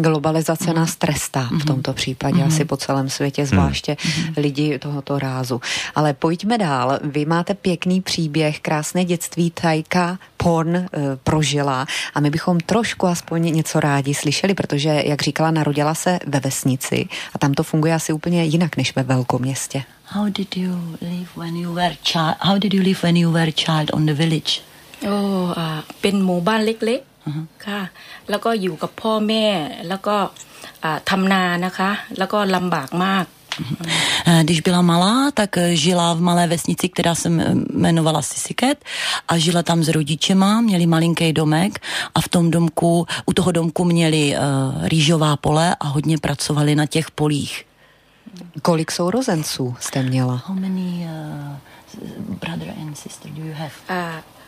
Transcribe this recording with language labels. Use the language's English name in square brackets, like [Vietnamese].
[Czech] Globalizace nás trestá v tomto případě, asi po celém světě, zvláště lidi tohoto rázu. Ale pojďme dál. Vy máte pěkný příběh, krásné dětství Thajka Porn prožila a my bychom trošku aspoň něco rádi slyšeli, protože, jak říkala, narodila se ve vesnici a tam to funguje asi úplně jinak než ve velkoměstě. [English] How did you live when you were child on the village? Oh, been mobile lately. [Thai] ค่ะแล้วก็อยู่กับพ่อแม่แล้วก็ทำนานะคะแล้วก็ลำบากมาก [Czech] Když byla malá, tak žila v malé vesnici, která se jmenovala Sisiket, a žila tam s rodičema, měli malinký domek a v tom domku, u toho domku měli rýžová pole a hodně pracovali na těch polích. Kolik sourozenců jste měla? [English] How many brother and sister do you have?